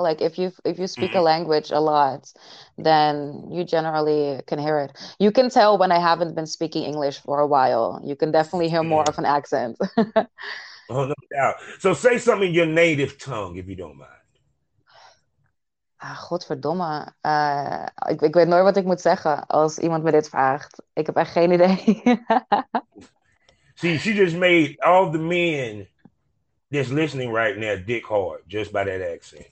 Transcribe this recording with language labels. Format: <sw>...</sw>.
<en>Like, if you speak a language a lot, then you generally can hear it. You can tell when I haven't been speaking English for a while. You can definitely hear more of an accent. Oh, no doubt. So say something in your native tongue, if you don't mind.</en> <nl>Ah, godverdomme. Ik weet nooit wat ik moet zeggen als iemand me dit vraagt. Ik heb echt geen idee.</nl> <en>See, she just made all the men that's listening right now dick hard just by that accent.</en>